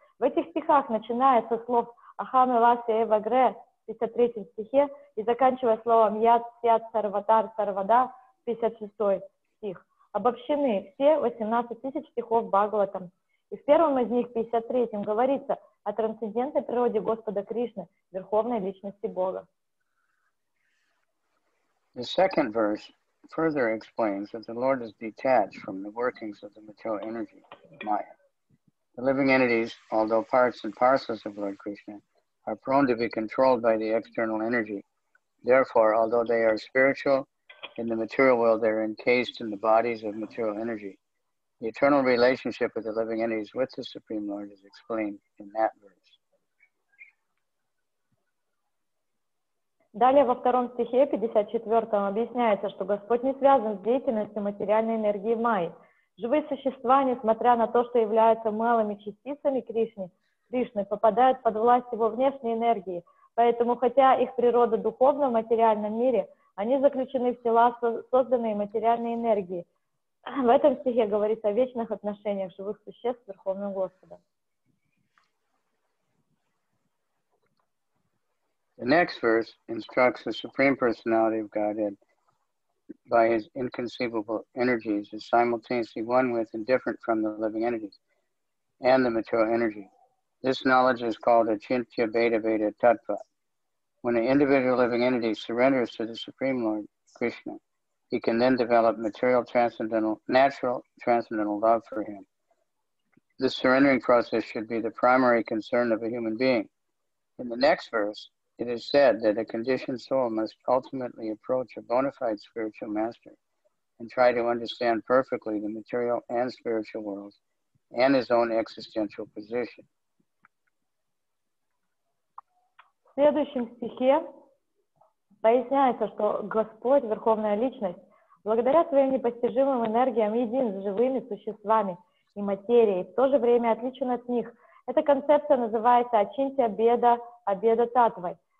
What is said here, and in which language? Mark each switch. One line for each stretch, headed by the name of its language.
Russian: В этих стихах, начиная со слов «Ахаме Васи Эвагре», в 53 стихе, и заканчивая словом «Яд, Сят, Сарватар, Сарвада», 56 стих, обобщены все 18 тысяч стихов Бхагаватам. И в первом из них, 53-м, говорится о трансцендентной природе Господа Кришны, Верховной Личности Бога.
English: The second verse further explains that the Lord is detached from the workings of the material energy, Maya. The living entities, although parts and parcels of Lord Krishna, are prone to be controlled by the external energy. Therefore, although they are spiritual, in the material world they are encased in the bodies of material energy. The eternal relationship of the living entities with the Supreme Lord is explained in that verse.
Russian: Далее во втором стихе 54 объясняется, что Господь не связан с деятельностью материальной энергии Майи. Живые существа, несмотря на то, что являются малыми частицами Кришны, Кришны попадают под власть его внешней энергии, поэтому хотя их природа духовна в материальном мире, они заключены в тела, созданные материальной энергией. В этом стихе говорится о вечных отношениях живых существ с Верховным Господом.
English: The next verse instructs the Supreme Personality of Godhead by his inconceivable energies is simultaneously one with and different from the living entities and the material energy. This knowledge is called Achintya Beda Beda Tattva. When an individual living entity surrenders to the Supreme Lord Krishna, he can then develop material transcendental, natural transcendental love for him. This surrendering process should be the primary concern of a human being. In the next verse, it is said that a conditioned soul must ultimately approach a bona fide spiritual master and try to understand perfectly the material and spiritual worlds and his own existential position.
Russian: В следующем стихе поясняется, что Господь, Верховная Личность, благодаря своим непостижимым энергиям един с живыми существами и материей, в то же время отличен от них. Эта концепция называется «Ачинтья беда абеда татвой».